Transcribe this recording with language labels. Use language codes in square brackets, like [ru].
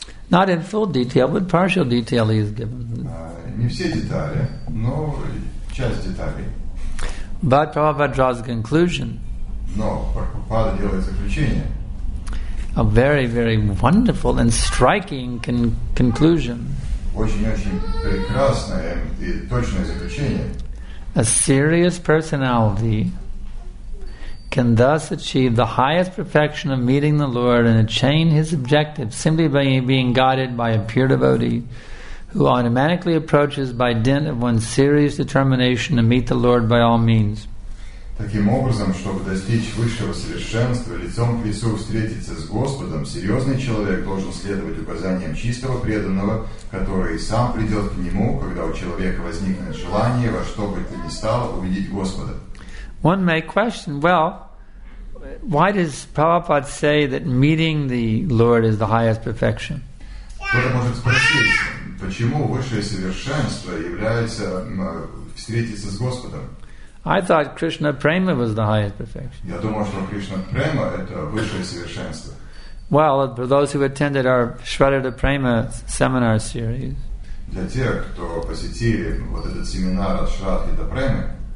[en] Not in full detail, but partial detail he has given. [ru] Не все детали, но часть деталей. [en] But Prabhupada draws a conclusion. [ru] Но Прабхупада делает заключение. [en] A very, very wonderful and striking conclusion. [ru] Очень-очень прекрасное и точное заключение. [en] A serious personality can thus achieve the highest perfection of meeting the Lord and attain his objective simply by being guided by a pure devotee who automatically approaches by dint of one's serious determination to meet the Lord by all means. [ru] Таким образом, чтобы достичь высшего совершенства, лицом к лицу встретиться с Господом, серьезный человек должен следовать указаниям чистого преданного, который сам придет к нему, когда у человека возникнет желание во что бы то ни стало увидеть Господа. [en] One may question, well, why does Prabhupada say that meeting the Lord is the highest perfection? [ru] Кто-то может спросить, почему высшее совершенство является встретиться с Господом? [en] I thought Krishna Prema was the highest perfection. [ru] Я думал, что Кришна Према – это высшее совершенство. [en] Well, for those who attended our Shraddha Prema seminar series, [ru] для тех, кто посетили вот этот семинар от Шрадхи Премы,